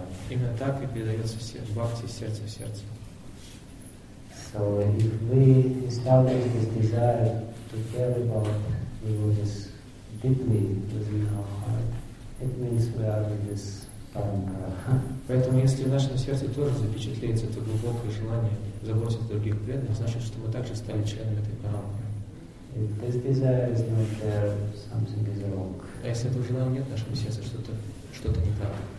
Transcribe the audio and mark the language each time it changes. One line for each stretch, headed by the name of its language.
Russian: Именно так и передается бхакти из сердца в сердце.
English: So if we establish this desire to care about devotees deeply within our heart, it means we are in this parampara.
Russian: Поэтому если в нашем сердце тоже запечатлеется это глубокое желание заботиться о других преданных, значит, что мы также стали членами этой парампары. А если этого желания нет в нашем сердце, что-то не так.